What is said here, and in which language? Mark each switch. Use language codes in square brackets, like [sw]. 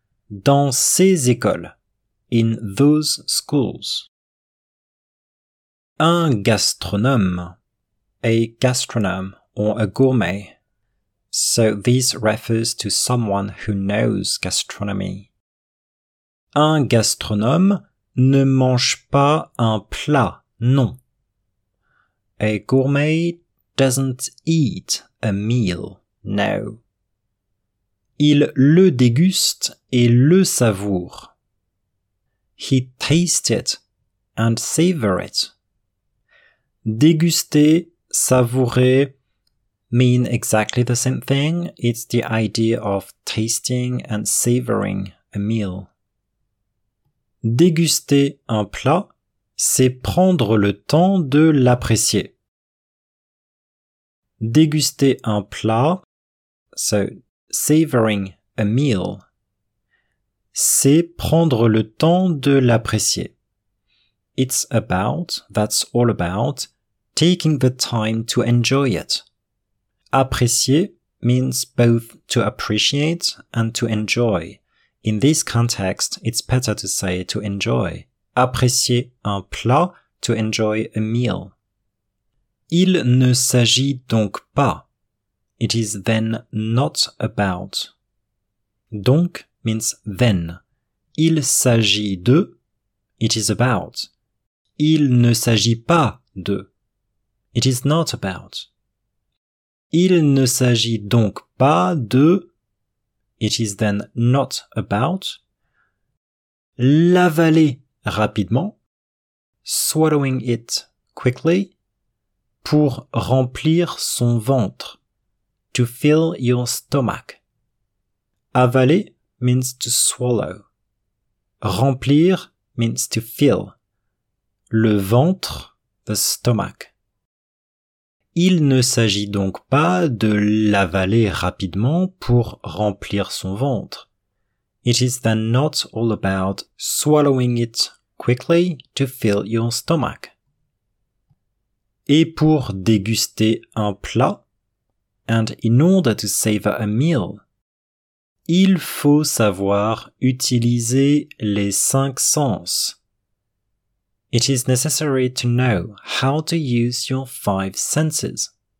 [fr] Dans ces écoles. [en] In those schools. [fr] Un gastronome. [en] A gastronome, or a gourmet. So this refers to someone who knows gastronomy. [fr] Un gastronome ne mange pas un plat, non. [en] A gourmet doesn't eat a meal, no. [fr] Il le déguste et le savoure. [en] He tastes it and savours it. Déguster, savourer mean exactly the same thing. It's the idea of tasting and savouring a meal. [fr] Déguster un plat, c'est prendre le temps de l'apprécier. Déguster un plat, [en] so savouring a meal, [fr] c'est prendre le temps de l'apprécier. [en] It's about, that's all about, taking the time to enjoy it. Apprécier means both to appreciate and to enjoy. In this context, it's better to say to enjoy. [fr] Apprécier un plat, [en] to enjoy a meal. [fr] Il ne s'agit donc pas. [en] It is then not about. Donc means then. [fr] Il s'agit de. [en] It is about. [fr] Il ne s'agit pas de. [en] It is not about. [fr] Il ne s'agit donc pas de. [en] It is then not about. [fr] L'avaler rapidement. [en] Swallowing it quickly. [fr] Pour remplir son ventre. [en] To fill your stomach. Avaler means to swallow. Remplir means to fill. Le ventre, the stomach. [fr] Il ne s'agit donc pas de l'avaler rapidement pour remplir son ventre. [en] It is then not all about swallowing it quickly to fill your stomach. [fr] Et pour déguster un plat, [en] and in order to savor a meal, [fr] il faut savoir utiliser les cinq sens. [en] It is necessary to know how to use your five senses.